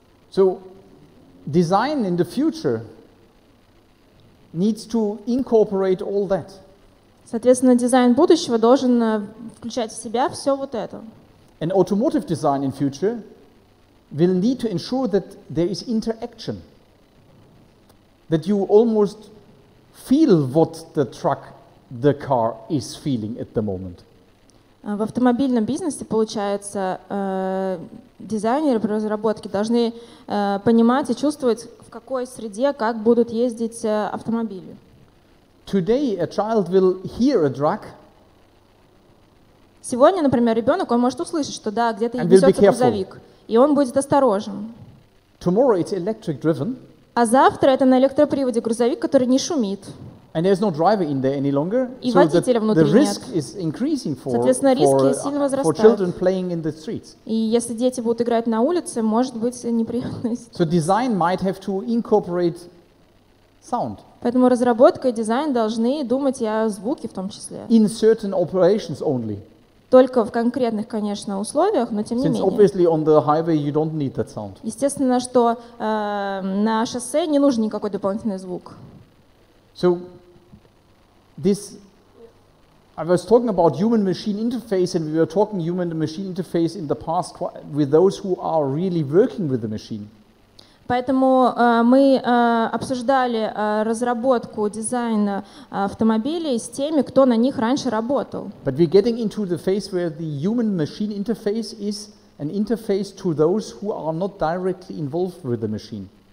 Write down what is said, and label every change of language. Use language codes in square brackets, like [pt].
[en] So, design in the future needs to incorporate all that. [ru] Соответственно, дизайн будущего должен включать в себя все вот это. [en] An automotive design in future will need to ensure that there is interaction, that you almost feel what the truck, the car is feeling at the moment. [ru] В автомобильном бизнесе, получается, дизайнеры при разработке должны понимать и чувствовать, в какой среде, как будут ездить автомобили. [en] Today a child will hear a truck. [ru] Сегодня, например, ребенок, он может услышать, что да, где-то несется грузовик, и он будет осторожен. [en] Tomorrow it's electric driven. [ru] А завтра это на электроприводе грузовик, который не шумит. [en] And there's no driver in there any longer. [ru] И [en] so [ru] водителя внутри [en] the [ru] нет. [en] Risk is increasing for, [ru] соответственно, риски [en] for, [ru] сильно возрастают. [en] For children playing in the streets. [ru] И если дети будут играть на улице, может быть неприятность. [en] So design might have to incorporate sound. [ru] Поэтому разработка и дизайн должны думать и о звуке в том числе. [en] In certain operations only. [ru] Только в конкретных, конечно, условиях, но тем [en] Since [ru] не менее. [en] Obviously on the highway you don't need that sound. [ru] Естественно, что на шоссе не нужен никакой дополнительный звук. [en] So, this, I was talking about human-machine interface, and we were talking human-machine interface in the past with those who are really working with the machine. [ru] Поэтому мы обсуждали разработку дизайна автомобилей с теми, кто на них раньше работал. [en] But we're getting into the phase where the human-machine interface is an interface to those who are not directly involved with the machine.